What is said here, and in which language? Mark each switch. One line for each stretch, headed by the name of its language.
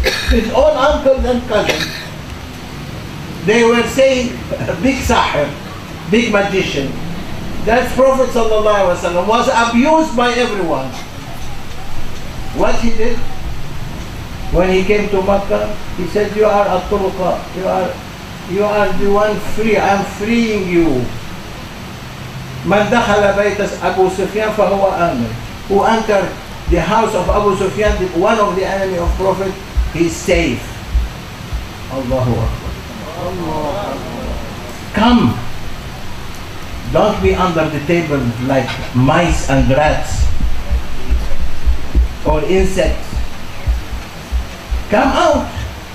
English: His own uncles and cousins. They were saying, big sahib, big magician. That Prophet sallallahu alaihi wasallam was abused by everyone. What he did? When he came to Makkah, he said, you are at-turqa, you are the one free, I'm freeing you.
Arabic: من دخل بيت أبو سفيان فهو آمن.
English: Who entered the house of Abu Sufyan, one of the enemy of Prophet, he's safe. Allahu Akbar. Come, don't be under the table like mice and rats or insects. Come out.